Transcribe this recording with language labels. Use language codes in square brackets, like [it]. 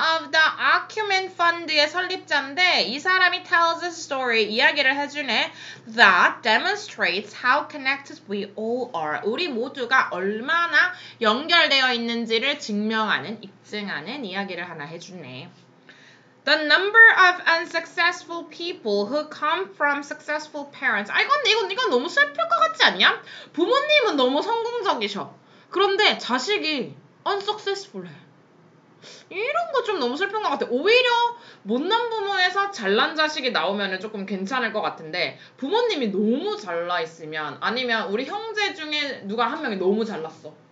[en] of the Acumen Fund [ko] 의 설립자인데 이 사람이 [en] tells a story, [ko] 이야기를 해주네. [en] that demonstrates how connected we all are. [ko] 우리 모두가 얼마나 연결되어 있는지를 증명하는, 입증하는 이야기를 하나 해주네. [en] The number of unsuccessful people who come from successful parents. [ko] 아, 이건 너무 슬플 것 같지 않냐? 부모님은 너무 성공적이셔. 그런데 자식이 unsuccessful해. 이런 거 좀 너무 슬픈 것 같아. 오히려 못난 부모에서 잘난 자식이 나오면 조금 괜찮을 것 같은데 부모님이 너무 잘나 있으면 아니면 우리 형제 중에 누가 한 명이 너무 잘났어.